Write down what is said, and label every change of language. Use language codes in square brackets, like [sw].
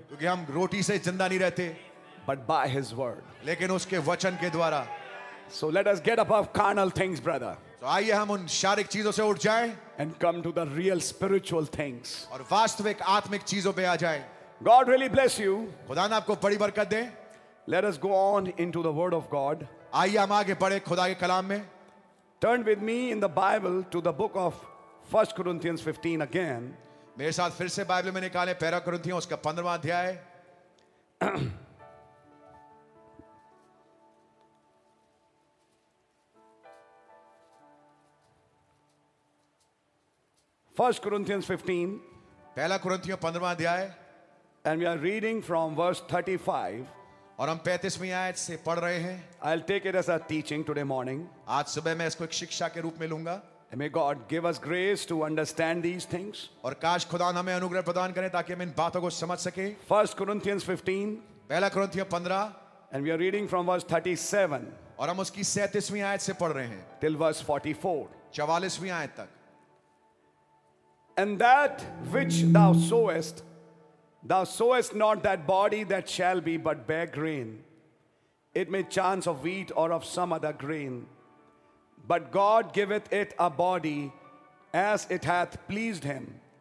[hi] क्योंकि हम रोटी से जिंदा नहीं रहते. [en] But by His word. [hi] लेकिन उसके वचन के द्वारा. [en] So let us get above carnal things, brother. [hi] तो आइए हम उन शारीरिक चीजों से उठ जाएं. [en] And come to the real spiritual things. [hi] और वास्तविक आत्मिक चीजों पे आ जाएं. [en] God really bless you. [hi] खुदा ने आपको बड़ी बरकत दे. [en] Let us go on into the word of God. [hi] आइए हम आगे बढ़े खुदा के कलाम में. [en] Turn with me in the Bible to the book of 1 Corinthians 15 again. [hi] मेरे साथ फिर से बाइबल में निकाले पहला कुरिन्थियों उसका 15वां अध्याय. [en] First Corinthians 15. [hi] पहला कुरिन्थियों 15वां अध्याय. [en] And we are reading from verse 35. [hi] और हम 35वीं आयत से पढ़ रहे हैं. [en] I'll take it as a teaching today morning. [hi] आज सुबह मैं इसको एक शिक्षा के रूप में लूंगा. [en] And may God give us grace to understand these things. [hi] और काश खुदा हमें अनुग्रह प्रदान करे ताकि हम इन बातों को समझ सके. [en] First Corinthians 15. [hi] पहला कुरिन्थियों 15. [en] And we are reading from verse 37. [hi] और हम उसकी 37वीं आयत से पढ़ रहे हैं. [en] Till verse 44. [hi] 44वीं आयत तक. [en] And that which thou sowest not that body that shall be but bare grain. It may chance of wheat or of some other grain. But God giveth it a body as it hath pleased him.